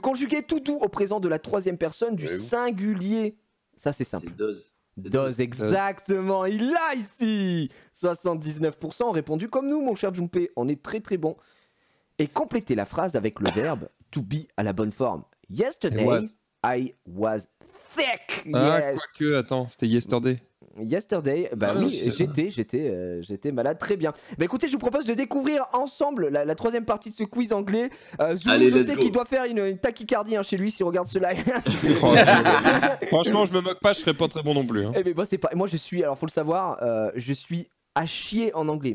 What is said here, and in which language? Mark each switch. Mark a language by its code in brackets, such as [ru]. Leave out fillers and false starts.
[fr] Conjuguer tout doux au présent de la troisième personne du singulier. Ça, c'est simple. C'est dose. Dose, exactement. Dose. Il a ici 79% ont répondu comme nous, mon cher Junpei. On est très très bon. Et compléter la phrase avec le verbe to be à la bonne forme. [en] Yesterday, I was thick. [fr] Ah, yes. Quoique, attends, c'était yesterday. Yesterday. Bah oui, j'étais malade. Très bien. Bah écoutez, je vous propose de découvrir ensemble la troisième partie de ce quiz anglais. Zoom, allez, je sais qu'il doit faire une tachycardie hein, chez lui s'il regarde ce live. Franchement, je me moque pas, je serais pas très bon non plus. Hein. Et mais bon, c'est pas... Moi, je suis, alors faut le savoir, je suis à chier en anglais.